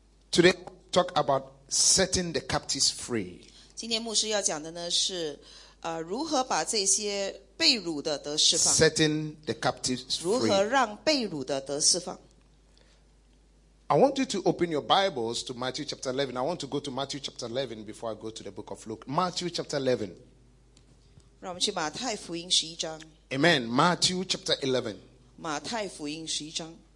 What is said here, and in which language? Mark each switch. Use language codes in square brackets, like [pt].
[en] Today, we talk about setting the captives free. [zh] 今天牧师要讲的呢是 如何把这些被掳的得释放 [en] setting the captives free [zh] 如何让被掳的得释放 [en] I want you to open your Bibles to Matthew chapter 11 I want to go to Matthew chapter 11 before I go to the book of Luke Matthew chapter 11 [zh] 让我们去马太福音11章 [en] Amen Matthew chapter 11 [zh] 马太福音11章